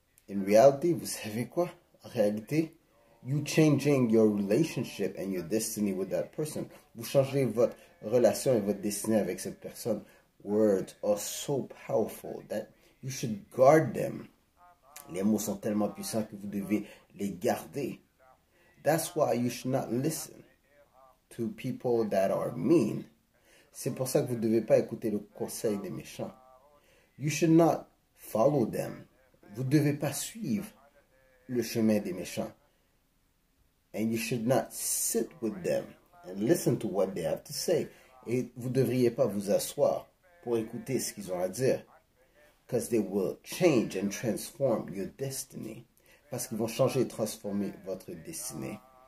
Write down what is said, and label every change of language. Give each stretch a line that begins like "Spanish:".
English: In reality,
French: vous savez quoi? En réalité,
English: you changing your relationship and your destiny with that person.
French: Vous changez votre relation et votre destinée avec cette personne.
English: Words are so powerful that you should guard them.
French: Les mots sont tellement puissants que vous devez les garder.
English: That's why you should not listen to people that are mean.
French: C'est pour ça que vous ne devez pas écouter le conseil des méchants.
English: You should not follow them.
French: Vous ne devez pas suivre le chemin des méchants.
English: And you should not sit with them and listen to what they have to say.
French: Et vous ne devriez pas vous asseoir pour écouter ce qu'ils ont à dire.
English: Because they will change and transform your destiny.
French: Parce qu'ils vont changer et transformer votre destinée.